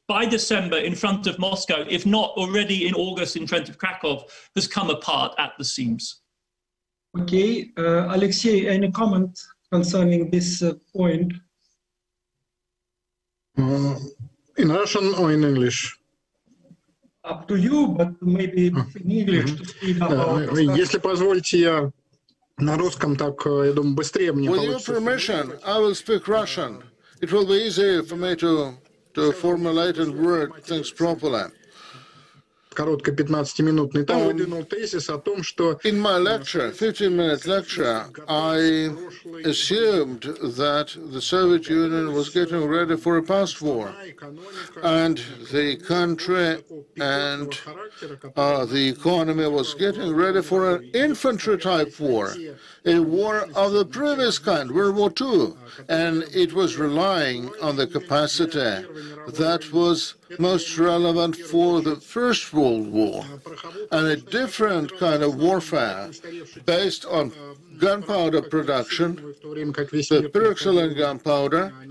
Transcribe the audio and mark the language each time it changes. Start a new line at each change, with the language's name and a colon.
English: by December in front of Moscow, if not already in August in front of Krakow, has come apart at the seams. Okay, Alexey, any comment concerning this point? In Russian or in English? Up to you, but maybe in English to speak about.
Russian: Если позволите, я на русском, так я думаю, быстрее мне получится.
English: With your permission, I will speak Russian. It will be easier for me to formulate and word things properly.
Russian: Короткий 15-минутный там выдвинул тезис о том, что
English: in my lecture, 15-minute lecture, I assumed that the Soviet Union was getting ready for a past war, and the country and the economy was getting ready for an infantry-type war, a war of the previous kind, World War II, and it was relying on the capacity that was most relevant for the First World War, and a different kind of warfare based on gunpowder production, the pyroxylene gunpowder,